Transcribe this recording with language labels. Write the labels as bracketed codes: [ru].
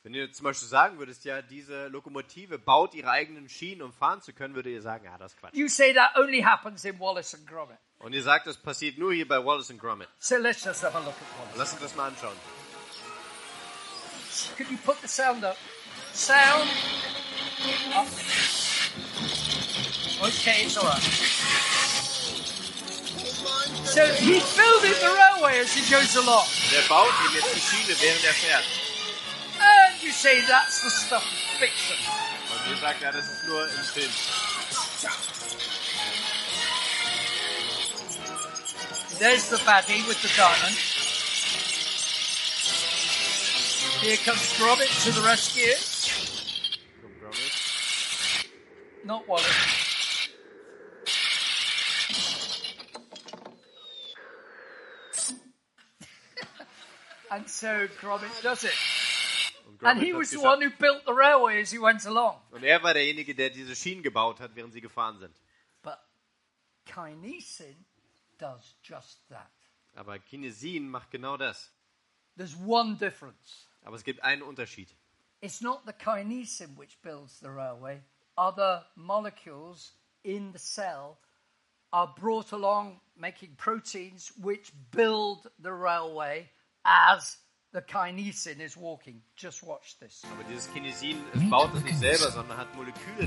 [de] Wenn ihr zum Beispiel sagen würdest, ja, diese Lokomotive baut ihre eigenen Schienen, um fahren zu können, würdet ihr sagen, ja, das ist Quatsch. [en] You say that only happens in Wallace and Gromit. [de] Und ihr sagt, das passiert nur hier bei Wallace and Gromit. [en] So let's just have a look at Wallace. [de] Lass uns das mal anschauen. [en] Could you put the sound up? Sound. Up. Okay, it's all right. So he's building the railway as he goes along. [de] Der baut ihm jetzt die Schiene, während fährt. [en] And you say that's the stuff of fiction. [de] Und ihr sagt, ja, das ist nur im Film. [en] There's the baddie with the diamond. Here comes Gromit to the rescue. Come Gromit. Not Wallace. And so Gromit does it. And he was the one who built the railway as he went along. [de] Und er war derjenige, der diese Schienen gebaut hat, während sie gefahren sind. [en] But kinesin does just that. [de] Aber Kinesin macht genau das. [en] There's one difference. [de] Aber es gibt einen Unterschied. [en] It's not the kinesin which builds the railway. Other molecules in the cell are brought along making proteins which build the railway. As the kinesin is walking, just watch this. [de] Aber dieses Kinesin baut es nicht selber, sondern hat Moleküle.